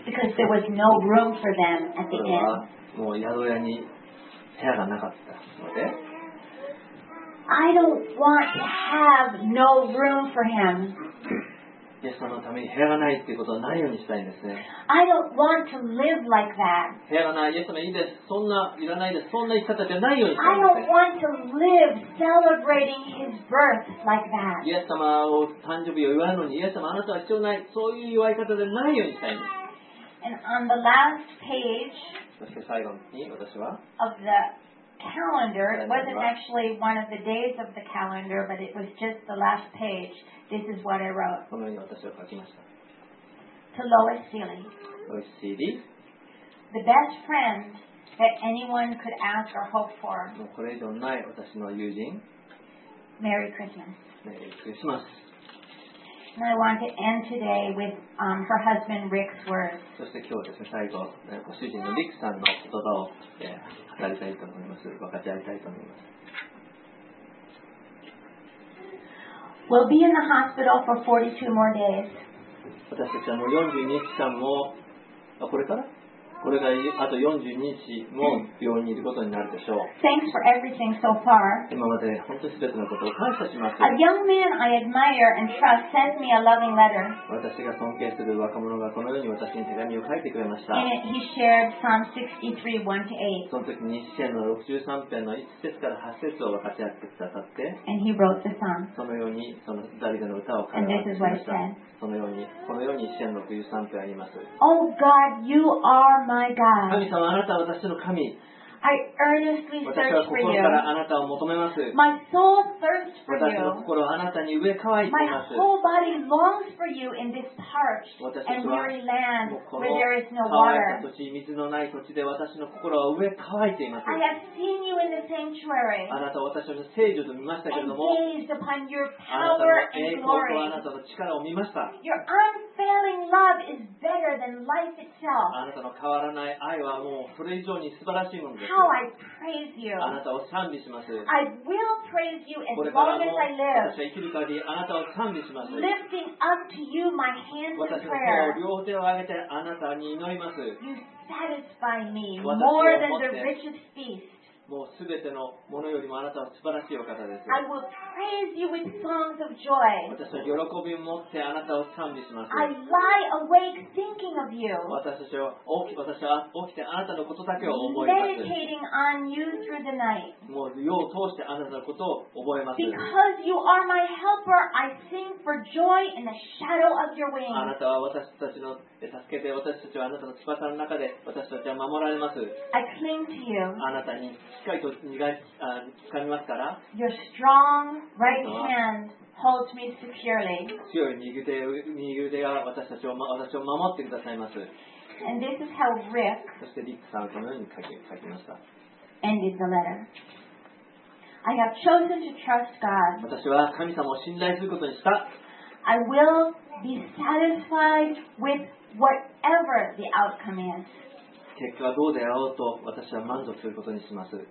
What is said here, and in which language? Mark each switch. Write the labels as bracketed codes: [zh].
[en] Because there was no room for them at the inn. [ja] もう宿屋に部屋がなかったので、 [en] I don't want to have no room for him. [ja] イエス様のために部屋がないっていうことはないようにしたいんですね。 [en] I don't want to live like that. [ja] 部屋がない、イエス様いいです。そんないらないです。そんな生き方じゃないようにしたいんですね。 [en] I don't want to live celebrating his birth like that. [ja] イエス様を誕生日を祝うのに、イエス様あなたは必要ない。そういう祝い方でないようにしたいんです。 [en] And on the last page, [ja] そして最後に私は、 [en] of theCalendar. It wasn't actually one of the days of the calendar, but it was just the last page. This is what I wrote. [ja] このように私は書きました。 [en] To Lois Seeley. Lois Seeley. The best friend that anyone could ask or hope for. [ja] もうこれ以上ない私の友人。 [en] Merry Christmas. Merry Christmas. And I want to end today with her husband Rick's words. [ja] そして今日ですね、最後ご主人のリックさんの言葉を。語りたいと思います。分かち合いたいと思います。 [en] We'll be in the hospital for 42 more days. [ja] 私たちはもう42日間も、あ、これから？これがあと42日も病院にいることになるでしょう。 [en] Thanks for everything so far. [ja] 今まで本当に全てのことを感謝します。 [en] A young man I admire and trust sent me a loving letter. [ja] 私が尊敬する若者がこのように私に手紙を書いてくれました。 [en] And he shared Psalm 63:1-8. [ja] その時に詩篇の63編の1節から8節を分かち合ってくださって、 [en] And he wrote the psalm. [ja] そのようにそのダビデの歌を彼は書きました。このように、このように詩篇63編あります。 [en] Oh God, you are my God. [ja] 神様、あなたは私の神。 [en] I earnestly search for you. [ja] 私は心からあなたを求めます。 [en] My soul thirsts for you. [ja] 私の心はあなたに飢え渇いています。 [en] My whole body longs for you in this parched and weary land where there is no water. [ja] 乾いた土地、水のない土地で私の心は飢え渇いています。 [en] I have seen you in the sanctuary. [ja] あなたを私の聖所で見ましたけれども、 [en] and gazed upon your power and glory. [ja] あなたの力を見ました。 [en] Your unfailing love is better than life itself. [ja] あなたの変わらない愛はもうそれ以上に素晴らしいものです。 [en] How I praise you. [ja] あなたを賛美します。 [en] I will praise you as long as I live. [ja] 私は生きる限りあなたを賛美します。 [en] Lifting up to you my hands of prayer. [ja] 私の手を両手を上げてあなたに祈ります。 [en] You satisfy me more than the richest feast. [ja] もうすべてのものよりもあなたは素晴らしいお方です。 [en] I will praise you with songs of joy. [ja] 私は喜びを持ってあなたを賛美します。 [en] I lie awake thinking of you. [ja] 私は起きてあなたのことだけを思います。 [en] Meditating on you through the night. [ja] もう夜を通してあなたのことを覚えます。 [en] Because you are my helper, I sing for joy in the shadow of your wings. [ja] あなたは私たちの助けで私たちはあなたの翼の中で私たちは守られます。 [en] I cling to you. [ja] あなたにしっかりと掴みますから。 [en] Your strong right hand holds me securely. [ja] 強い右腕が私を守ってくださいます。 [en] And this is how Rick. [ja] そしてリックさんはこのように書きました。 [en] Ended the letter. I have chosen to trust God. [ja] 私は神様を信頼することにした。 [en] I will be satisfied with whatever the outcome is. [ja] 結果はどうであろうと私は満足することにします。